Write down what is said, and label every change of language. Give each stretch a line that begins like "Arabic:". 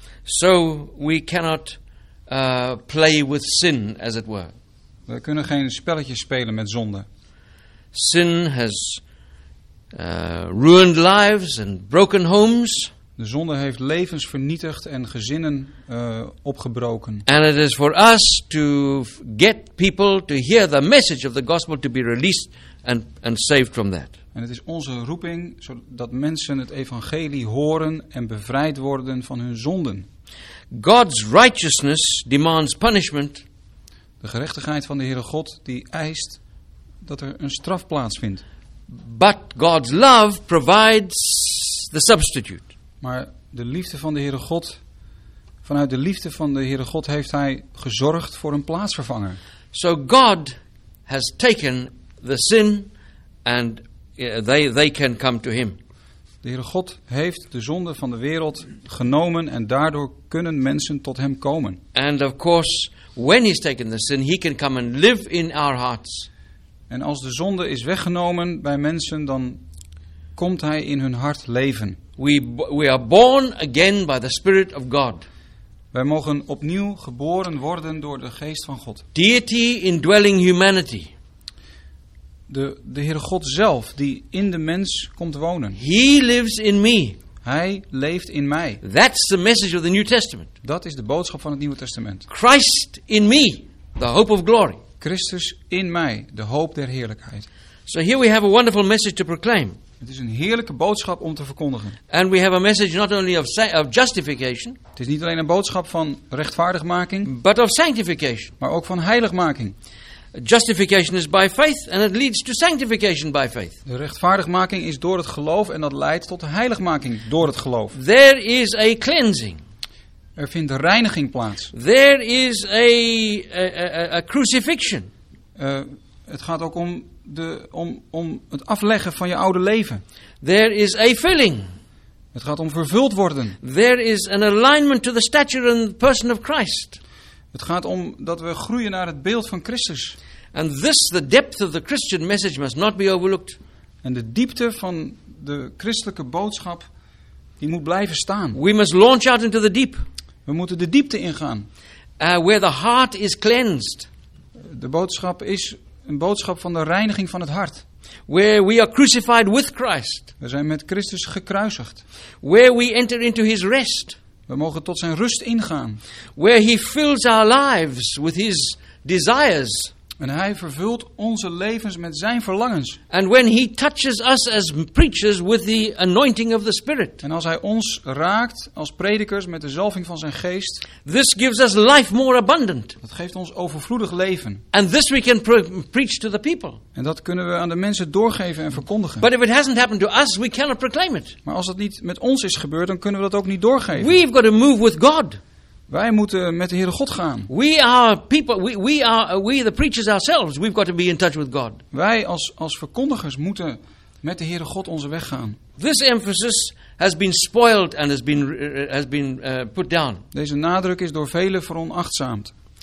English: So we cannot play with sin, as it were.
Dutch: We kunnen geen spelletjes spelen met zonde.
English: Sin has ruined lives and broken homes.
Dutch: De zonde heeft levens vernietigd en gezinnen opgebroken.
English: And it is for us to get people to hear the message of the gospel to be released and saved from that.
Dutch: En het is onze roeping zodat mensen het evangelie horen en bevrijd worden van hun zonden.
English: God's righteousness demands punishment.
Dutch: De gerechtigheid van de Heere God die eist dat er een straf plaatsvindt.
English: But God's love provides the substitute.
Dutch: Maar de liefde van de Heere God, vanuit de liefde van de Heere God heeft hij gezorgd voor een plaatsvervanger.
English: So God has taken the sin and they can come to him.
Dutch: De Heere God heeft de zonde van de wereld genomen en daardoor kunnen mensen tot hem komen.
English: And of course when he's taken the sin he can come and live in our hearts.
Dutch: En als de zonde is weggenomen bij mensen, dan komt hij in hun hart leven.
English: We are born again by the Spirit of God.
Dutch: Wij mogen opnieuw geboren worden door de Geest van God.
English: Deity indwelling humanity.
Dutch: De Heere God zelf die in de mens komt wonen.
English: He lives in me.
Dutch: Hij leeft in mij.
English: That's the message of the New Testament.
Dutch: Dat is de boodschap van het Nieuwe Testament.
English: Christ in me, the hope of glory.
Dutch: Christus in mij, de hoop der heerlijkheid.
English: So here we have a wonderful message to proclaim.
Dutch: Het is een heerlijke boodschap om te verkondigen.
English: And we have a message not only of justification.
Dutch: Het is niet alleen een boodschap van rechtvaardigmaking,
English: but of sanctification.
Dutch: Maar ook van heiligmaking.
English: Justification is by faith and it leads to sanctification by faith.
Dutch: De rechtvaardigmaking is door het geloof en dat leidt tot de heiligmaking door het geloof.
English: There is a cleansing.
Dutch: Er vindt reiniging plaats.
English: There is a crucifixion.
Dutch: Het gaat ook om om het afleggen van je oude leven.
English: There is a filling.
Dutch: Het gaat om vervuld worden.
English: There is an alignment to the stature and person of Christ.
Dutch: Het gaat om dat we groeien naar het beeld van Christus.
English: And this, the depth of the Christian message must not be overlooked.
Dutch: En de diepte van de christelijke boodschap die moet blijven staan.
English: We must launch out into the deep.
Dutch: We moeten de diepte ingaan.
English: Where the heart is cleansed.
Dutch: De boodschap is een boodschap van de reiniging van het hart.
English: Where we are crucified with Christ.
Dutch: We zijn met Christus gekruisigd.
English: Where we enter into his rest.
Dutch: We mogen tot zijn rust ingaan.
English: Where he fills our lives with his desires.
Dutch: En hij vervult onze levens met zijn verlangens.
English: And when he touches us as preachers with the anointing of the Spirit.
Dutch: En als hij ons raakt als predikers met de zalving van zijn geest.
English: This gives us life more abundant.
Dutch: Dat geeft ons overvloedig leven.
English: And this we can preach to the people.
Dutch: En dat kunnen we aan de mensen doorgeven en verkondigen.
English: But if it hasn't happened to us, we cannot proclaim it.
Dutch: Maar als dat niet met ons is gebeurd, dan kunnen we dat ook niet doorgeven.
English: We've got to move with God.
Dutch: Wij moeten met de Heere God gaan.
English: We are people. We are the preachers ourselves. We've got to be in touch with God.
Dutch: Wij als verkondigers moeten met de Heere God onze weg gaan.
English: This emphasis has been spoiled and has been put down.
Dutch: Deze nadruk is door velen veronachtzaamd.